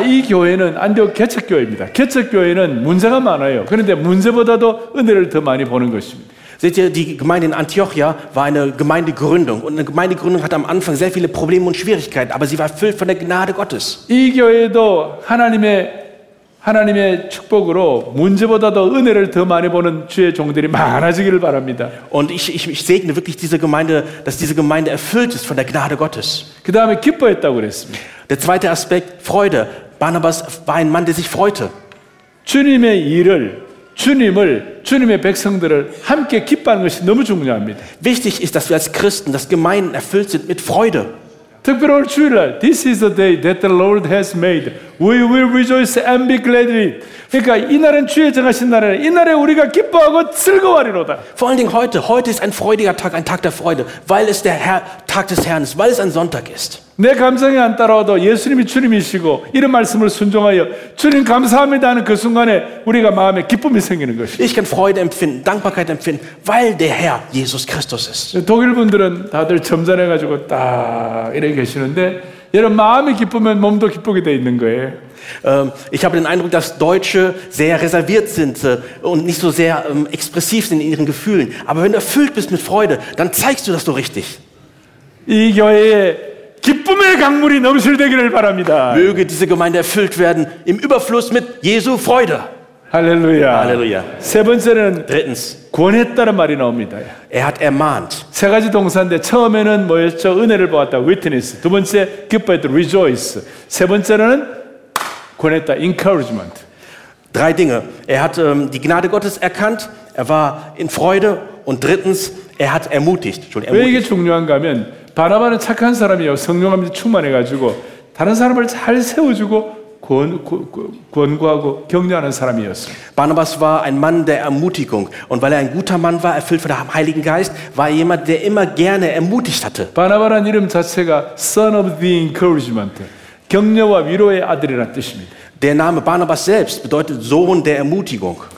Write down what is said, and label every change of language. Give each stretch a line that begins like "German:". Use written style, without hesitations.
Korean: 이 교회는 안디옥 개척교회입니다. 개척교회는 문제가 많아요. 그런데 문제보다도 은혜를 더 많이 보는 것입니다.
German: Seht ihr, die Gemeinde in Antiochia war eine Gemeindegründung. Und eine Gemeindegründung hat am Anfang sehr viele Probleme und Schwierigkeiten, aber sie war erfüllt von der Gnade Gottes.
Korean: 이 교회도 하나님의 축복으로 문제보다도 은혜를 더 많이 보는 주의 종들이 많아지기를 바랍니다.
German: Und ich segne wirklich diese Gemeinde, dass diese Gemeinde erfüllt ist von der Gnade Gottes.
Korean: 그 다음에 기뻐했다고 그랬습니다.
German: Der zweite Aspekt, Freude. Barnabas war ein Mann, der sich freute.
Korean: 주님의 일을 주님을 주님의 백성들을 함께 기뻐하는 것이 너무 중요합니다.
German: Wichtig ist, dass wir als Christen, dass Gemeinden erfüllt sind mit Freude.
Korean: 특별히 오늘 주일날,
English: This is the day that the Lord has made. We will rejoice and be glad in it.
Korean: 그러니까 이날은 주의 정하신 날이라 이날에 우리가 기뻐하고 즐거워하리로다.
German: Vor allen Dingen heute. Heute ist ein freudiger Tag, ein Tag der Freude, weil es der Tag des Herrn ist, weil es ein Sonntag ist.
Korean: 내 감정에 안 따라와도 예수님이 주님이시고 이런 말씀을 순종하여 주님 감사합니다 하는 그 순간에 우리가 마음에 기쁨이 생기는 것이.
German: Ich kann Freude empfinden, Dankbarkeit empfinden, weil der Herr Jesus Christus ist.
Korean: 독일 분들은 다들 점잖아 가지고 딱 이렇게 계시는데 여러 마음이 기쁘면 몸도 기쁘게 돼 있는 거예요.
German: Ich habe den Eindruck, dass Deutsche sehr reserviert sind und nicht so sehr expressiv sind in ihren Gefühlen, aber wenn du erfüllt bist mit Freude, dann zeigst du, dass du richtig.
Korean: 이 교회에 기쁨의 강물이 넘실되기를 바랍니다.
German: Möge diese Gemeinde erfüllt werden im Überfluss mit Jesu Freude. Halleluja. Halleluja.
Korean: 세 번째는
German: Drittens.
Korean: 권했다는 말이 나옵니다.
German: Er hat ermahnt.
Korean: 세 가지 동사인데 처음에는 뭐였죠? 은혜를 보았다. Witness. 두 번째 기뻐했다. Rejoice. 세 번째는 권했다. Encouragement.
German: Drei Dinge. Er hat die Gnade Gottes erkannt. Er war in Freude. Und drittens, er hat ermutigt. Entschuldigung, ermutigt.
Korean: 왜 이게 중요한가 하면 바나바는 착한 사람이에요. 성령함이 충만해가지고 다른 사람을 잘 세워주고 권고하고 격려하는 사람이었어요.
German: Barnabas war ein Mann der Ermutigung und weil er ein guter Mann war, erfüllt von dem Heiligen Geist, war jemand, der immer gerne ermutigt hatte.
Korean: 바나바라는 이름 자체가
English: Son of the Encouragement,
Korean: 격려와 위로의 아들이라는 뜻입니다.
German: Der Name Barnabas selbst bedeutet Sohn der Ermutigung.